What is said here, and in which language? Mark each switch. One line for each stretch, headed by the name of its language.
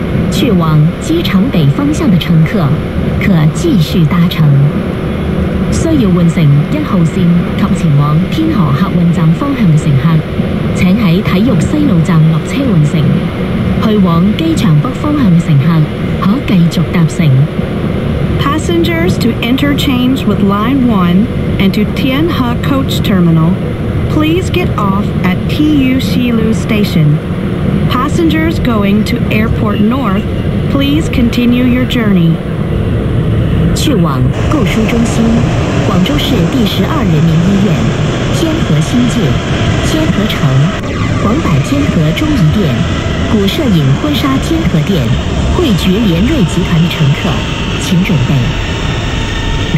Chinese: 去往机场北方向的乘客，可继续搭乘。需要换乘一号线及前往天河客运站方向的乘客，请在体育西路站落车换乘。去往机场北方向的乘客可继续搭乘。
English: Passengers to interchange with Line 1 and to Tian He Coach Terminal, please get off at TU Xilu Station. Passengers going to Airport North, please continue your journey.
Chinese: 去往购书中心，广州市第十二人民医院，天河新界，天河城，广百天河中仪店，古摄影婚纱天河店，汇爵联瑞集团的乘客请准备，